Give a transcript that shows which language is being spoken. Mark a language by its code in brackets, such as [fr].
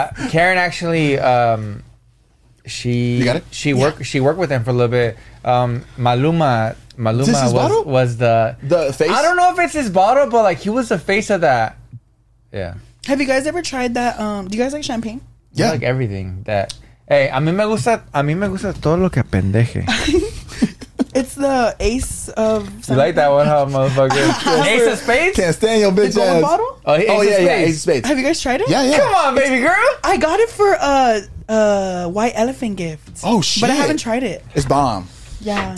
[en] Karen actually, she... You got it? She worked with them for a little bit. Maluma was the face? I don't know if it's his bottle, but, like, he was the face of that. Yeah. Have you guys ever tried that? Do you guys like champagne? Yeah. I like everything that... [es] Hey, a mí me gusta todo lo que pendeje. [en] It's the ace of something. You like that one, huh, motherfucker? Ace of spades? Can't stand your bitch ass. The gold bottle? Ace of spades. Have you guys tried it? Yeah. Come on, baby girl. I got it for a white elephant gift. Oh, shit. But I haven't tried it. It's bomb. Yeah.